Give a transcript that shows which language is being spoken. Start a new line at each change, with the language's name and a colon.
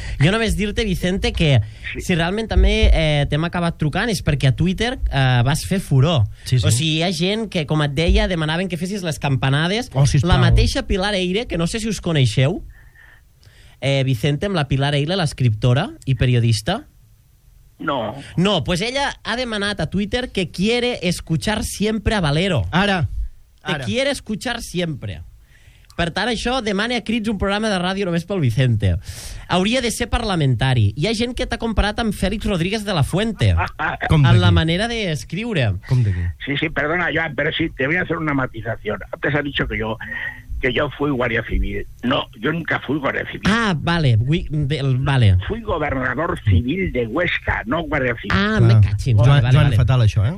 Catalan: Jo només dir-te, Vicente, que sí. Si realment també t'hem acabat trucant és perquè a Twitter vas fer furor. Sí, sí. O sigui, hi ha gent que, com et deia, demanaven que fessis les campanades. Oh, sisplau. La mateixa Pilar Eire, que no sé si us coneixeu, Vicente, amb la Pilar Eire, l'escriptora i periodista. No. No, pues ella ha demanat a Twitter
Spanish: que quiere escuchar siempre a Valero.
Catalan: Ara.
Spanish: Que quiere escuchar siempre.
Catalan: Per tant, això demana a crits un programa de ràdio només pel Vicente. Hauria de ser parlamentari. Hi ha gent que t'ha comparat amb Félix Rodríguez de la Fuente. Com en la manera d'escriure.
Spanish: Sí, perdona, Joan, pero sí, te voy a hacer una matización. Antes has dicho que yo fui guardia civil. No, yo nunca fui guardia civil. Ah, vale. Vale. Fui gobernador civil de Huesca, no guardia civil. Ah, me cachin. Vale.
Catalan: Fatal això, ¿eh?